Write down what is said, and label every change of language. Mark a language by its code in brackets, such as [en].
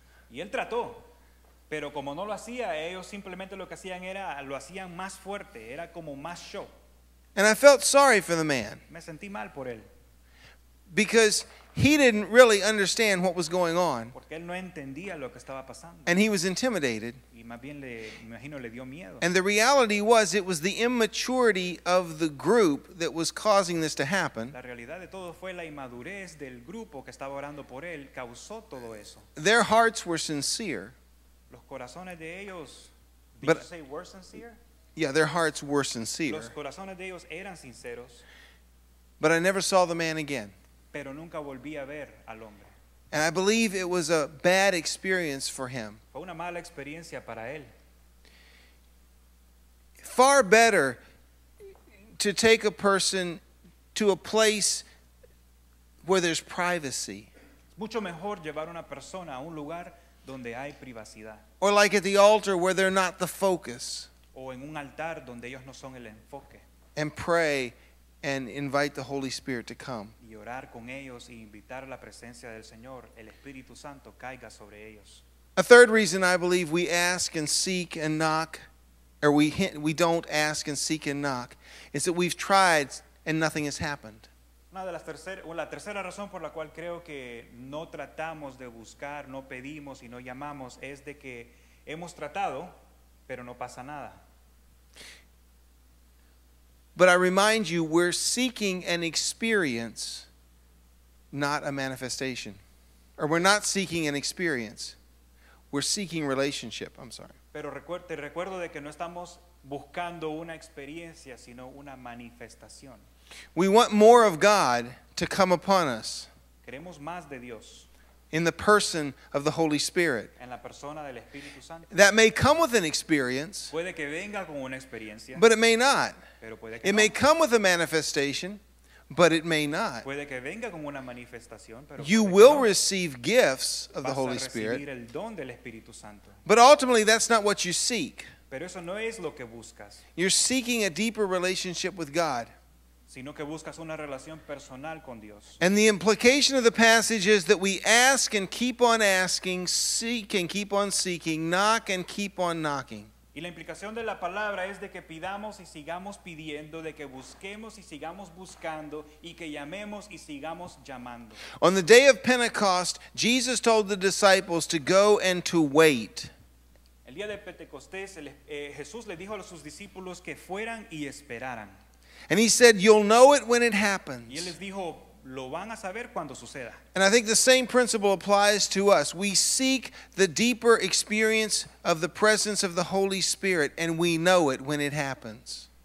[es] Y él trató. Pero como no lo hacía, ellos simplemente lo que hacían era, lo hacían más fuerte. Era como más show. [en] And I felt sorry for the man. [es] Me sentí mal por él. [en] Because he didn't really understand what was going on. [es] Porque él no entendía lo que estaba pasando. [en] And he was intimidated. [es] Y más bien le, imagino, le dio miedo. [en] And the reality was, it was the immaturity of the group that was causing this to happen. [es] La realidad de todo fue la inmadurez del grupo que estaba orando por él causó todo eso. [en] Their hearts were sincere. [es] Los corazones de ellos, [en] but, did you say were sincere? Yeah, their hearts were sincere. [es] Los corazones de ellos eran sinceros. [en] But I never saw the man again. [es] Pero nunca volví a ver al hombre. [en] And I believe it was a bad experience for him. [es] Fue una mala experiencia para él. [en] Far better to take a person to a place where there's privacy. [es] Mucho mejor llevar una persona a un lugar donde hay privacidad. [en] Or like at the altar where they're not the focus. [es] O en un altar donde ellos no son el enfoque. [en] And pray and invite the Holy Spirit to come. [es] Y orar con ellos y invitar la presencia del Señor, el Espíritu Santo caiga sobre ellos. [en] A third reason I believe we ask and seek and knock, or we don't ask and seek and knock, is that we've tried and nothing has happened. [es] La tercera razón por la cual creo que no tratamos de buscar, no pedimos y no llamamos es de que hemos tratado, pero no pasa nada. [en] But I remind you, we're seeking an experience, not a manifestation. Or we're not seeking an experience. We're seeking relationship. I'm sorry. [es] Pero te recuerdo de que no estamos buscando una experiencia, sino una manifestación. [en] We want more of God to come upon us. [es] Queremos más de Dios. [en] In the person of the Holy Spirit. [es] En la persona del Espíritu Santo. [en] That may come with an experience. [es] Puede que venga con una experiencia. [en] But it may not. [es] Pero puede que [en] it [es] no. [en] May come with a manifestation, but it may not. [es] Puede que venga con una manifestación, pero [en] you [es] puede [en] will [es] que no. [en] Receive gifts of the Holy Spirit. [es] Vas a recibir el don del Espíritu Santo. [en] But ultimately, that's not what you seek. [es] Pero eso no es lo que buscas. [en] You're seeking a deeper relationship with God. [es] Sino que buscas una relación personal con Dios. [en] And the implication of the passage is that we ask and keep on asking, seek and keep on seeking, knock and keep on knocking. [es] Y la implicación de la palabra es de que pidamos y sigamos pidiendo, de que busquemos y sigamos buscando, y que llamemos y sigamos llamando. [en] On the day of Pentecost, Jesus told the disciples to go and to wait. [es] El día de Pentecostés, Jesús le dijo a sus discípulos que fueran y esperaran. [en] And he said, you'll know it when it happens. [es] Y él les dijo, lo van a saber cuando suceda. [en] And I think the same principle applies to us. We seek the deeper experience of the presence of the Holy Spirit, and we know it when it happens.